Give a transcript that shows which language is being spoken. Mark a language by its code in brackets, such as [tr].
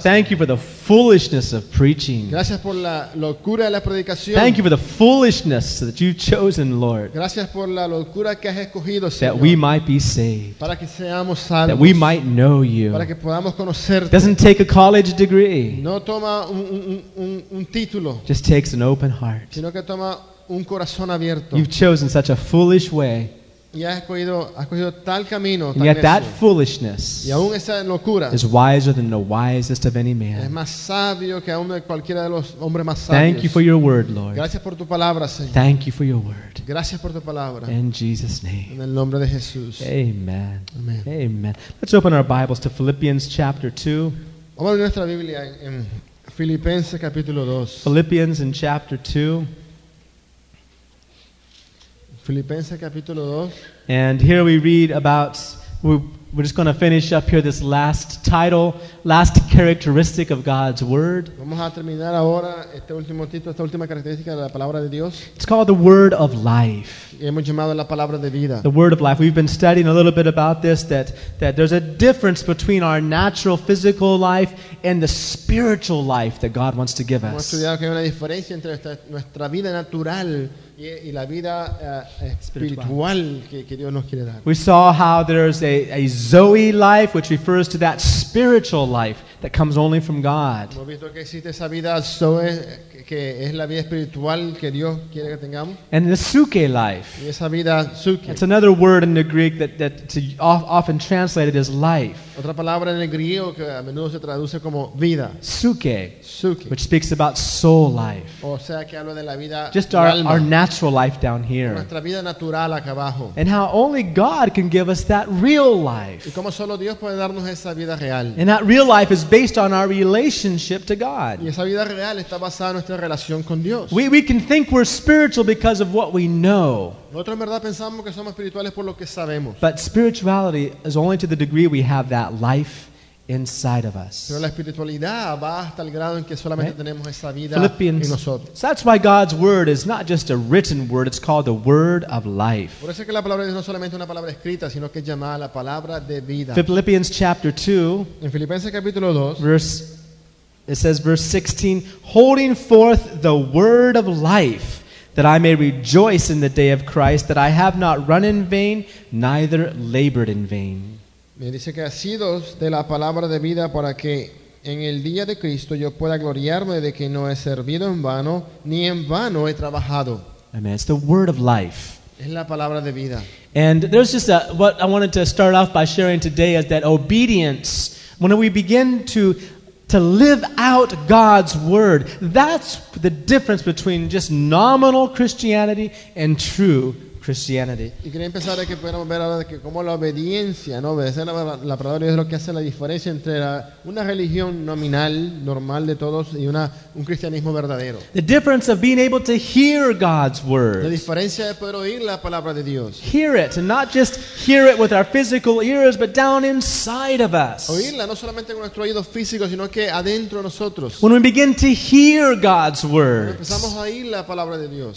[en] thank Señor. You for the foolishness of preaching. [es] Gracias por la locura de la predicación. [en] Thank you for the foolishness that you've chosen, Lord. [es] Gracias por la locura que has escogido, Señor. [en] That we might be saved. [es] Para que seamos salvos. [en] That we might know you. [es] Para que podamos conocerte. [en] Doesn't take a college degree. [es] No toma un título. [en] Just takes an open heart. [es] Sino que toma un corazón abierto. [en] You've chosen such a foolish way. [es] Y has cogido tal camino, [en] and yet that foolishness [es] y aún esa locura [en] is wiser than the wisest of any man. [es] Es más sabio que aún de cualquiera de los hombres más sabios. [en] Thank you for your word, Lord. [es] Gracias por tu palabra, Señor. [en] Thank you for your word. [es] Gracias por tu palabra. [en] In Jesus' name. [es] En el nombre de Jesús. [en] Amen. [es] Amen. [en] Amen. Let's open our Bibles to Philippians chapter 2. [es] Vamos a abrir nuestra Biblia en Filipenses capítulo 2. [en] Philippians in chapter 2. [es] Filipenses capítulo 2. [en] And here we read about, we're just going to finish up here this last title, last characteristic of God's word. [es] Vamos a terminar ahora este último título, esta última característica de la palabra de Dios. [en] It's called the word of life. [es] Y hemos llamado la palabra de vida. [en] The word of life. We've been studying a little bit about this, that there's a difference between our natural physical life and the spiritual life that God wants to give us. [es] Hemos estudiado que hay una diferencia entre nuestra vida natural y la vida espiritual que Dios nos quiere dar. [en] We saw how there's a Zoe life, which refers to that spiritual life that comes only from God. [es] Hemos visto que existe esa vida Zoe que es la vida espiritual que Dios quiere que tengamos. [en] And the Suke life. [es] Y esa vida Suke. [en] It's another word in the Greek that's often translated as life. [es] Otra palabra en el griego que a menudo se traduce como vida. [en] Suke. [es] Suke. [en] Which speaks about soul life. [es] O sea que habla de la vida. [en] Just our natural life down here. [es] Nuestra vida natural acá abajo. [en] And how only God can give us that real life. [es] Y cómo solo Dios puede darnos esa vida real. [en] And that real life is based on our relationship to God. [es] Y esa vida real está basada en nuestra relación con Dios. [en] We can think we're spiritual because of what we know. [es] Nosotros en verdad pensamos que somos espirituales por lo que sabemos. [en] But spirituality is only to the degree we have that life inside of us. [es] Pero la espiritualidad va hasta el grado en que solamente right? tenemos esa vida en nosotros. [en] So that's why God's word is not just a written word, it's called the word of life. [es] Por eso es que la palabra de Dios no solamente una palabra escrita, sino que es llamada la palabra de vida. [en] Philippians chapter 2, [es] en Filipenses capítulo 2, [en] it says verse 16, holding forth the word of life, that I may rejoice in the day of Christ, that I have not run in vain, neither labored in vain. [es] Me dice que asidos de la palabra de vida para que en el día de Cristo yo pueda gloriarme de que no he servido en vano, ni en vano he trabajado. [en] Amen. It's the word of life. [es] Es la palabra de vida. [en] And there's just what I wanted to start off by sharing today is that obedience, when we begin to live out God's word, that's the difference between just nominal Christianity and true Christianity. [es] Y quería empezar a que pudiéramos ver ahora que cómo la obediencia, ¿no? Obedecer la palabra de Dios es lo que hace la diferencia entre una religión nominal, normal de todos, y un cristianismo verdadero. [en] The difference of being able to hear God's word. [es] La diferencia de poder oír la palabra de Dios. [en] Hear it, and not just hear it with our physical ears, but down inside of us. [es] Oírla, no solamente con nuestro oído físico, sino que adentro de nosotros. [en] When we begin to hear God's word. [es] Cuando empezamos a oír la palabra de Dios.